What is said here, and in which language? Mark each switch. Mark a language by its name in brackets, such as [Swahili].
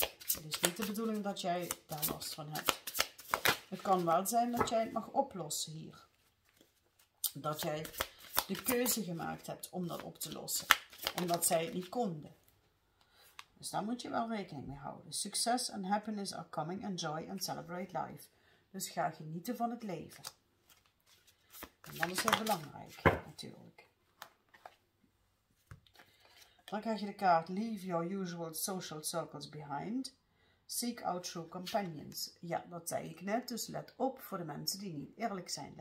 [Dutch] Het is niet de bedoeling dat jij daar last van hebt. Het kan wel zijn dat jij het mag oplossen hier. Dat jij de keuze gemaakt hebt om dat op te lossen. Omdat zij het niet konden. Dus daar moet je wel rekening mee houden. [English] Success and happiness are coming. Enjoy and celebrate life. [Dutch] Dus ga genieten van het leven. En dat is heel belangrijk natuurlijk. [English] Dan krijg je de kaart Leave your usual social circles behind. [Dutch] Seek out true companions. Ja, dat zei ik net. Dus let op voor de mensen die niet eerlijk zijn.